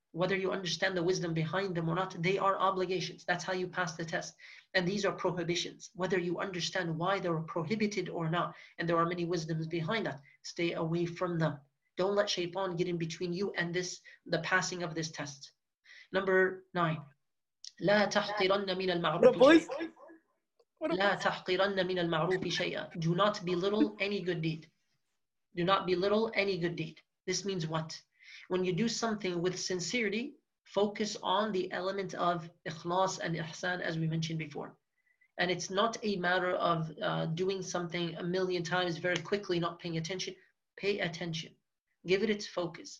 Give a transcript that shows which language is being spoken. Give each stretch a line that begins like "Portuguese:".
English: Whether you understand the wisdom behind them or not, they are obligations. That's how you pass the test. And these are prohibitions. Whether you understand why they're prohibited or not, and there are many wisdoms behind that, stay away from them. Don't let shaitan get in between you and this, the passing of this test. Number 9.
Arabic: لا تحقرن من المعروف. لا تحقرن من المعروف شيئا.
English: Do not belittle any good deed. Do not belittle any good deed. This means what? When you do something with sincerity, focus on the element of ikhlas and ihsan, as we mentioned before. And it's not a matter of doing something a million times very quickly, not paying attention. Pay attention. Give it its focus.